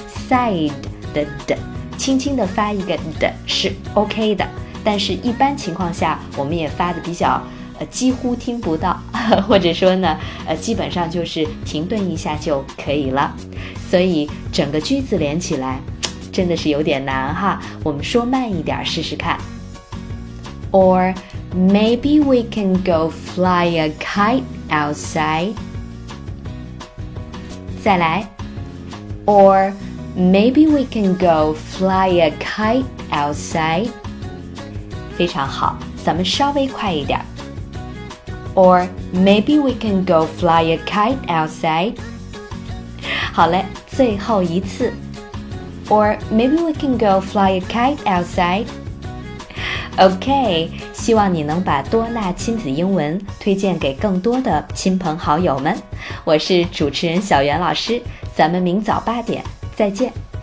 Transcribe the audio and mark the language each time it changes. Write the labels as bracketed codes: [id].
[zh] side 的 d 轻轻的发一个 d 是 OK 的，但是一般情况下我们也发的比较几乎听不到，或者说呢基本上就是停顿一下就可以了。所以整个句子连起来真的是有点难哈，我们说慢一点试试看。 [en] Or maybe we can go fly a kite outside. [zh] 再来。 [en] Or maybe we can go fly a kite outside. [zh] 非常好，咱们稍微快一点。 [en] Or maybe we can go fly a kite outside. [zh] 好嘞，最后一次。 [en] Or maybe we can go fly a kite outside. [zh] OK， 希望你能把多纳亲子英文推荐给更多的亲朋好友们。我是主持人小袁老师，咱们明早八点再见。